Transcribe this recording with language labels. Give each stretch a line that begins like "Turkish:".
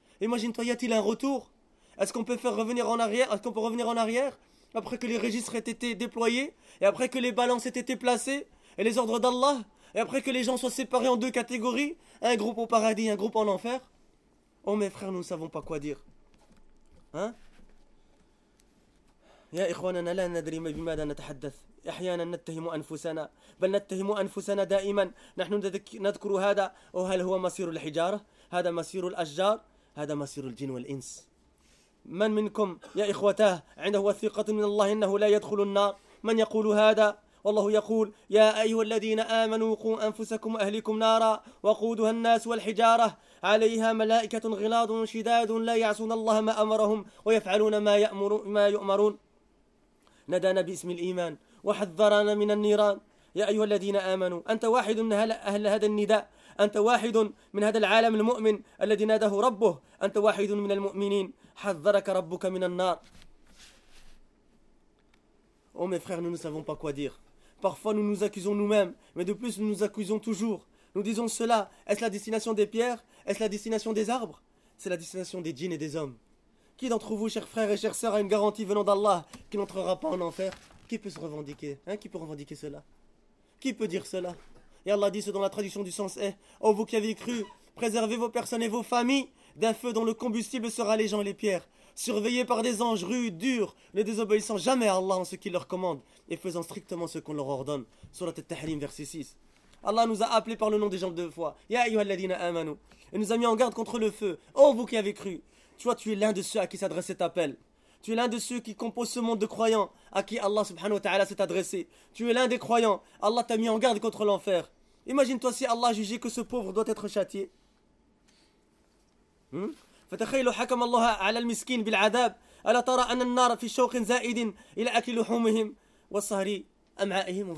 French: Imagine-toi, y a-t-il un retour? Est-ce qu'on peut faire revenir en arrière? Est-ce qu'on peut revenir en arrière après que les registres aient été déployés, et après que les balances aient été placées, et les ordres d'Allah, et après que les gens soient séparés en deux catégories, un groupe au paradis, un groupe en enfer? Oh mes frères, nous ne savons pas quoi dire. Hein?
Arabic: يا إخواننا لا ندري بماذا نتحدث أحيانا نتهم أنفسنا بل نتهم أنفسنا دائما نحن نذكر هذا وهل هو مصير الحجارة هذا مصير الأشجار هذا مصير الجن والإنس من منكم يا إخوتاه عنده وثيقة من الله إنه لا يدخل النار من يقول هذا والله يقول يا أيها الذين آمنوا قوا أنفسكم وأهليكم نارا وقودها الناس والحجارة عليها ملائكة غلاظ شداد لا يعصون الله ما أمرهم ويفعلون ما يؤمرون نادانا باسم الإيمان وحذرنا من النيران يا أيها الذين آمنوا أنت واحد من أهل هذا النداء أنت واحد من هذا العالم المؤمن الذي ناده ربه أنت واحد من المؤمنين حذرك ربك من النار
French: Oh mes frères, nous ne savons pas quoi dire. Parfois nous nous accusons nous-mêmes, mais de plus nous nous accusons toujours. Nous disons cela, est-ce la destination des pierres? Est-ce la destination des arbres? C'est la destination des djinns et des hommes. Qui d'entre vous, chers frères et chères sœurs, a une garantie venant d'Allah qui n'entrera pas en enfer? Qui peut se revendiquer? Hein? Qui peut revendiquer cela? Qui peut dire cela? Et Allah dit ce dans la traduction du sens est « Oh, vous qui avez cru, préservez vos personnes et vos familles d'un feu dont le combustible sera les gens et les pierres, surveillés par des anges rudes, durs, ne désobéissant jamais à Allah en ce qu'il leur commande et faisant strictement ce qu'on leur ordonne. » Surat al-Tahrim, verset 6. Allah nous a appelés par le nom des gens deux fois. «
Arabic: Ya ayyuhal ladina amanu
French: » et nous a mis en garde contre le feu. « Oh, vous qui avez cru !» Toi, tu es l'un de ceux à qui s'adresse cet appel. Tu es l'un de ceux qui composent ce monde de croyants à qui Allah subhanahu wa ta'ala s'est adressé. Tu es l'un des croyants. Allah t'a mis en garde contre l'enfer. Imagine-toi si Allah jugeait que ce pauvre doit être châtié.
Arabic: فتخيل حكم الله على المسكين بالعذاب ألا ترى أن النار في شوق زائد إلى أكل لحومهم والصهر أمعائهم.